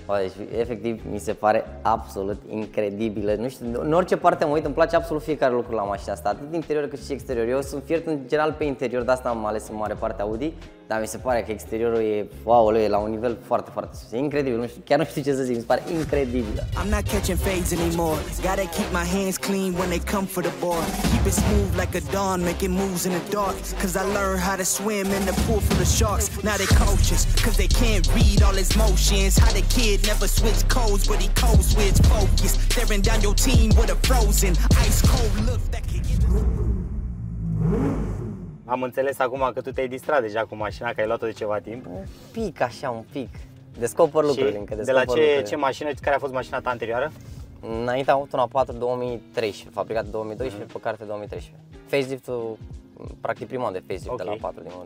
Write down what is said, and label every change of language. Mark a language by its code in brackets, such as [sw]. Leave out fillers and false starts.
[ro] Bă, deci, efectiv, mi se pare absolut incredibil. Nu știu, în orice parte mă uit, îmi place absolut fiecare lucru la mașina asta, atât interior cât și exterior. Eu sunt fiert în general pe interior, de asta am ales în mare parte Audi, dar mi se pare că exteriorul e, wow, e la un nivel foarte, foarte sus. E incredibil, chiar nu știu ce să zic, mi se pare incredibil. [en] I'm not catching fades anymore. Gotta keep my hands clean when they come for the ball. Keep it smooth like a dawn, making moves in the dark. Cause I learned how to swim in the pool full of sharks. Now they coaches, cause they can't read all his motions. How the kid never switched codes, but he codes with his focus. Staring down your team with a frozen, ice cold look that can get... [ro] Am înțeles acum că tu te-ai distrat deja cu mașina, că ai luat-o de ceva timp. Un pic, așa, un pic. Descoper lucruri încă. De la ce mașină, care a fost mașina ta anterioară? Înainte am avut un A4 2013, fabricat 2012, pe carte 2013. Faceliftul, practic prima de facelift de la A4 din momentul.